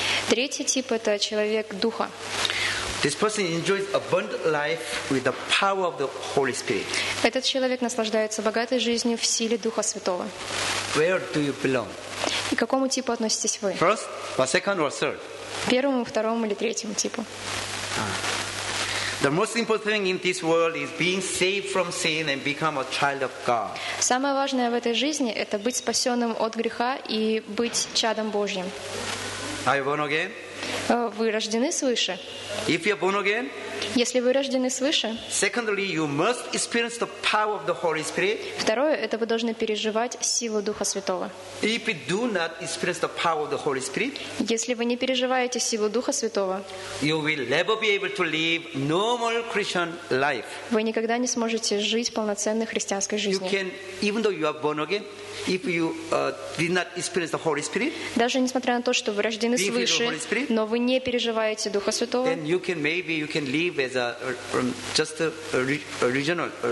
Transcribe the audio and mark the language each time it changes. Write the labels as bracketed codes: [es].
[ru] Третий тип — это человек духа. [en] This person enjoys abundant life with the power of the Holy Spirit. [ru] Этот человек наслаждается богатой жизнью в силе Духа Святого. [en] Where do you belong? [ru] И к какому типу относитесь вы? [en] First, or second, or third? [ru] Первому, второму или третьему типу? [en] The most important thing in this world is being saved from sin and become a child of God. [ru] Самое важное в этой жизни — это быть спасенным от греха и быть чадом Божьим. [en] Are you born again? [ru] Вы рождены свыше. [en] If you are born again, [ru] если вы рождены свыше, [en] secondly, you must experience the power of the Holy Spirit. [ru] Второе — это вы должны переживать силу Духа Святого. [en] If you do not experience the power of the Holy Spirit, [ru] если вы не переживаете силу Духа Святого, [en] you will never be able to live normal Christian life. [ru] Вы никогда не сможете жить полноценной христианской жизнью. [en] You can, even though you are born again, if you did not experience the Holy Spirit, [ru] даже несмотря на то, что вы рождены свыше, но вы не переживаете Духа Святого, [en] then you can maybe you can live as a just a regional